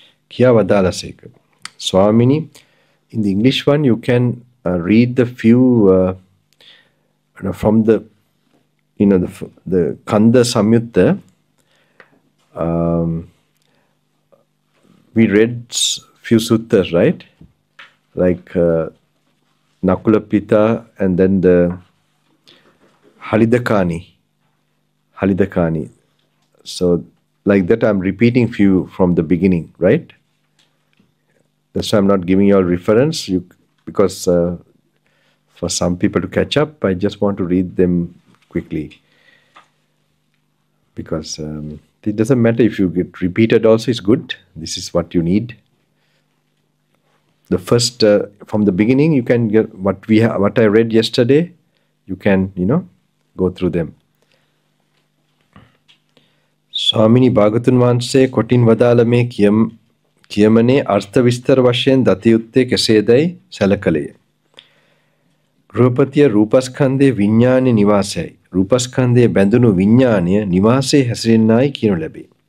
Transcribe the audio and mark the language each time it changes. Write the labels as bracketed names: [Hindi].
[Sinhala] kia vadala sik swamini [English] in the english one you can read the few from the the kanda samyutta we read few suttas right like nakula pita and then the Halidakani. So, like that, I'm repeating few from the beginning, right? That's why I'm not giving you all reference, because for some people to catch up, I just want to read them quickly. Because it doesn't matter if you get repeated also, it's good. This is what you need. The first, from the beginning, you can get what I read yesterday, you can, go through them. [Sinhala] ස්වාමිනි භාගතුන් වහන්සේ කොටින් වදාළ මේ කියමනේ අර්ථ විස්තර වශයෙන් දතයුත්තේ කෙසේදැයි සැලකළේ. ගෘහපතිය රූපස්කන්ධේ විඤ්ඥානය නිවාසයි. රූපස්කන්ධය බැඳුණු විඤ්ඥානය නිවාසේ හැසිරෙන්නායි කියනු ලැබේ.